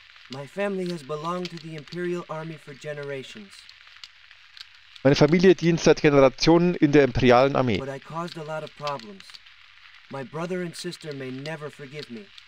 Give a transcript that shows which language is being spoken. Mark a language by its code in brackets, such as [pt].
[en] My family has belonged to the Imperial Army for generations. [de] Meine Familie dient seit Generationen in der Imperialen Armee. [en] But I caused a lot of problems. My brother and sister may never forgive me.